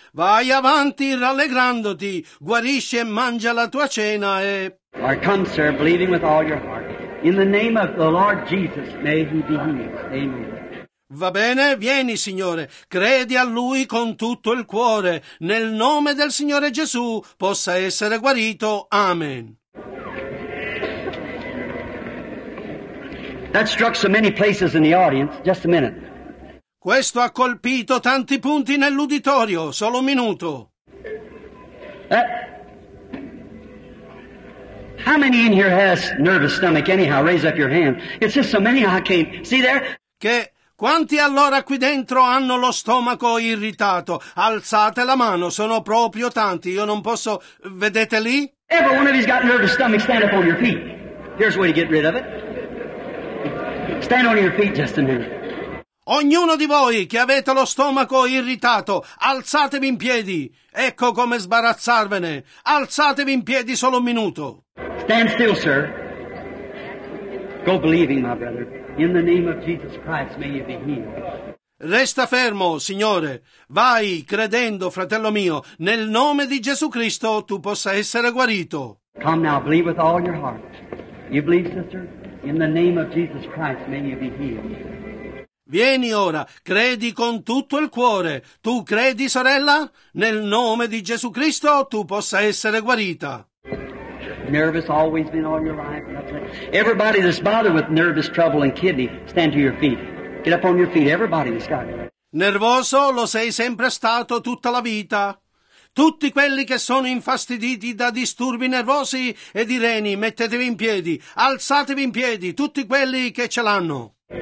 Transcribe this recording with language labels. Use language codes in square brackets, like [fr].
[it] Vai avanti rallegrandoti, guarisci e mangia la tua cena e... [en] Or come, sir, believing with all your heart. In the name of the Lord Jesus, may he be healed. Amen. [it] Va bene, vieni, Signore, credi a Lui con tutto il cuore. Nel nome del Signore Gesù possa essere guarito. Amen. [en] That struck so many places in the audience. Just a minute. [it] Questo ha colpito tanti punti nell'uditorio. Solo un minuto. [en] How many in here has nervous stomach anyhow? Raise up your hand. It's just so many I can't... See there? [it] Che quanti allora qui dentro hanno lo stomaco irritato? Alzate la mano. Sono proprio tanti. Io non posso... Vedete lì? [en] Every one of you's got nervous stomach, stand up on your feet. Here's a way to get rid of it. Stand on your feet just a minute. [it] Ognuno di voi che avete lo stomaco irritato, alzatevi in piedi. Ecco come sbarazzarvene. Alzatevi in piedi solo un minuto. [en] Stand still, sir. Go believing, my brother. In the name of Jesus Christ, may you be healed. [it] Resta fermo, signore. Vai credendo, fratello mio. Nel nome di Gesù Cristo, tu possa essere guarito. [en] Come now, believe with all your heart. You believe, sister? In the name of Jesus Christ, may you be healed. [it] Vieni ora, credi con tutto il cuore. Tu credi, sorella? Nel nome di Gesù Cristo, tu possa essere guarita. [en] Nervous always been all your life. Everybody that's bothered with nervous trouble and kidney, stand to your feet. Get up on your feet, everybody that's got it. [it] Nervoso lo sei sempre stato tutta la vita. Tutti quelli che sono infastiditi da disturbi nervosi e di reni, mettetevi in piedi, alzatevi in piedi, tutti quelli che ce l'hanno.